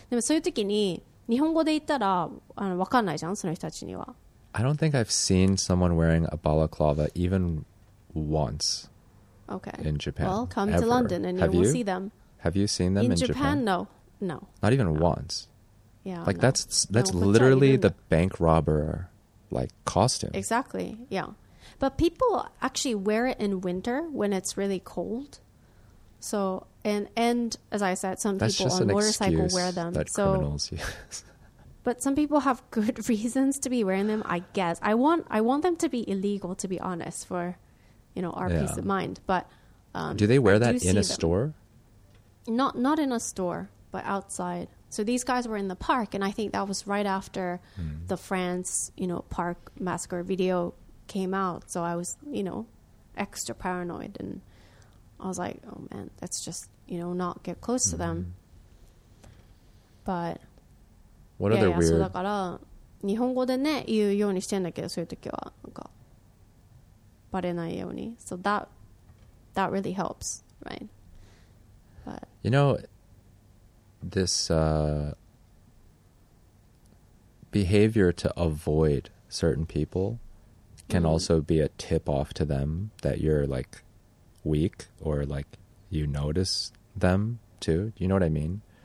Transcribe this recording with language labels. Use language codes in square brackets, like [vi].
[ja] でもそういう時に、日本語で言ったら、あの、わかんないじゃん、その人たちには。 [en] I don't think I've seen someone wearing a balaclava even once. Okay. In Japan. Well, come ever. To London and you will see them. Have you seen them in Japan? No. No. Not even once. Yeah. Like that's literally the bank robber like costume. Exactly. Yeah. But people actually wear it in winter when it's really cold. So And as I said, some That's people on motorcycle wear them. That so, criminals use. But some people have good reasons to be wearing them, I guess. I want them to be illegal, to be honest, for you know our peace of mind. But do they wear that in a store? Not in a store, but outside. So these guys were in the park, and I think that was right after the France, you know, park massacre video came out. So I was, you know, extra paranoid and. I was like, oh man, that's just, you know, not get close to them. But what other weird. [ja] そうだから日本語でね言うようにしてんだけどそういう時はなんかバレないように. [en] So that really helps, right? But you know, this behavior to avoid certain people can also be a tip off to them that you're like weak or like you notice them too. Do you know what I mean?